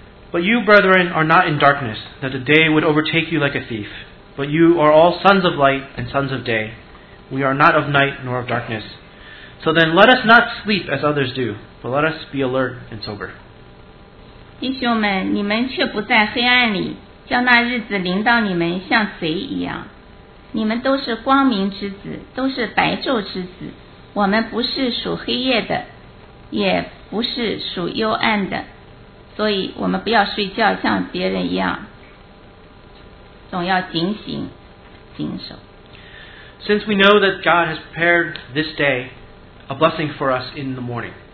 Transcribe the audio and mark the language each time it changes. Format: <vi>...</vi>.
<en>But you, brethren, are not in darkness, that the day would overtake you like a thief. But you are all sons of light and sons of day. We are not of night nor of darkness. So then let us not sleep as others do. But let us be alert and sober.</en> <zh>弟兄们，你们却不在黑暗里，叫那日子临到你们像贼一样。你们都是光明之子，都是白昼之子。我们不是属黑夜的，也不是属幽暗的，所以我们不要睡觉，像别人一样，总要警醒、谨守。</zh> <en>Since we know that God has prepared this day a blessing for us in the morning.</en>